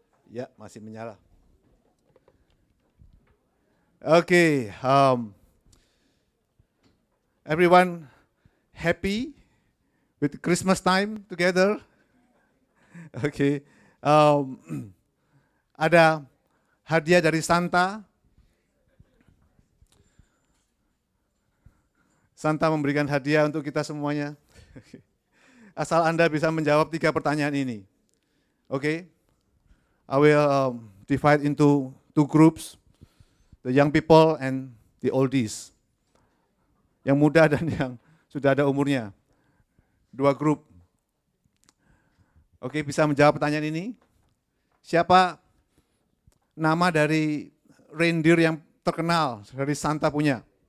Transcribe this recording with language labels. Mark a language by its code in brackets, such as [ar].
[id] Ya, masih menyala. [en] Okay, everyone happy with Christmas time together? [id] Okay, ada hadiah dari Santa. Santa memberikan hadiah untuk kita semuanya. Asal Anda bisa menjawab 3 pertanyaan ini. Okay. [en] I will divide into 2 groups, the young people and the oldies. [id] Yang muda dan yang sudah ada umurnya. 2 group. Okay, bisa menjawab pertanyaan ini? Siapa nama dari reindeer yang terkenal dari Santa punya?